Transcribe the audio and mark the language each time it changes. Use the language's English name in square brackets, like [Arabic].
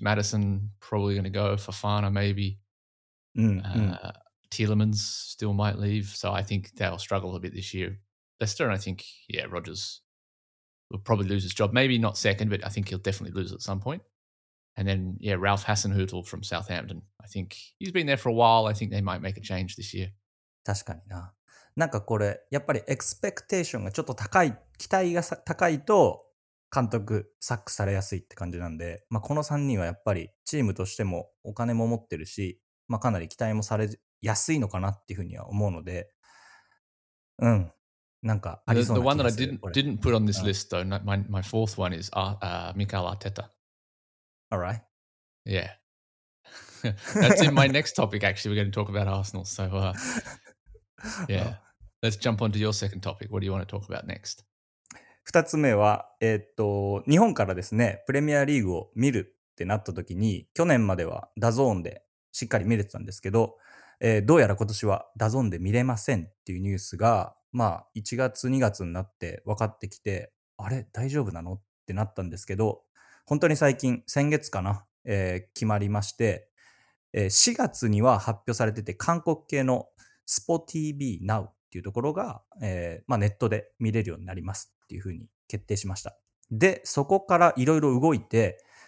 [English] Madison probably going to go. Fofana maybe. Tielemans still might leave, so I think they'll struggle a bit this year. Leicester, I think, yeah, Rodgers will probably lose his job. Maybe not second, but I think he'll definitely lose at some point. And then, yeah, Ralf Hasenhüttl from Southampton. I think he's been there for a while. I think they might make a change this year. [Japanese] 確かにな。なんかこれ、やっぱりエクスペクテーションがちょっと高い、期待が高いと監督サックされやすいって感じなんで、まあ、この3人はやっぱりチームとしてもお金も持ってるし、まあ、かなり期待もされ安いのかなっていうふうには思うので、なんかありそうな気がする。 [English] The one that I didn't put on this list though, my fourth one is Mikel Arteta. All right. Yeah. That's in my next topic actually. We're going to talk about Arsenal. So, yeah. Let's jump onto your second topic. What do you want to talk about next? [Japanese] 二つ目は、日本からですね、プレミアリーグを見るってなった時に、去年まではダゾーンでしっかり見れてたんですけど、どうやら今年はダゾンで見れませんっていうニュースが、まあ、1月2月になって分かってきて、あれ大丈夫なのってなったんですけど、本当に最近先月かな、決まりまして、4月には発表されてて、韓国系のスポ TV Now っていうところが、まあ、ネットで見れるようになりますっていうふうに決定しました。でそこからいろいろ動いて、